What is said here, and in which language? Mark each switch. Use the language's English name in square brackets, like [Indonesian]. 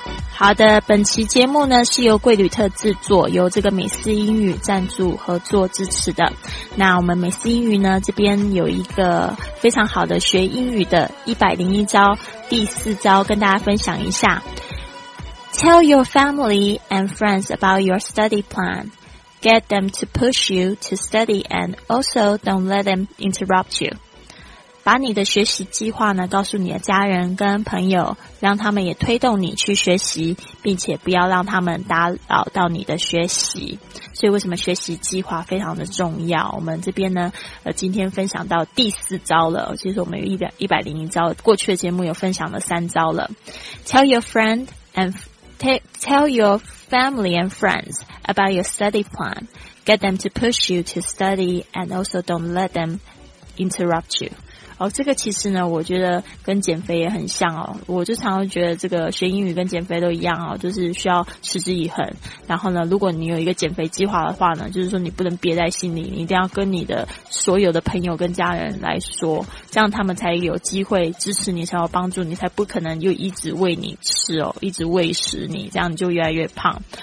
[Chinese] 好的，本期节目呢是由贵旅特制作，由这个美思英语赞助合作支持的。那我们美思英语呢这边有一个非常好的学英语的101招，第四招跟大家分享一下。 [English] Tell your family and friends about your study plan. Get them to push you to study and also don't let them interrupt you. [Chinese] 把你的学习计划呢告诉你的家人跟朋友，让他们也推动你去学习，并且不要让他们打扰到你的学习。所以为什么学习计划非常的重要，我们这边呢今天分享到第四招了，其实我们有101招，过去的节目有分享了三招了。 [English] Tell your family and friends about your study plan. Get them to push you to study and also don't let them interrupt you. [Chinese] 哦，这个其实呢，我觉得跟减肥也很像哦。我就常常觉得这个学英语跟减肥都一样哦，就是需要持之以恒。然后呢，如果你有一个减肥计划的话呢，就是说你不能憋在心里，你一定要跟你的所有的朋友跟家人来说，这样他们才有机会支持你，才有帮助你，才不可能又一直喂你吃哦，一直喂食你，这样你就越来越胖。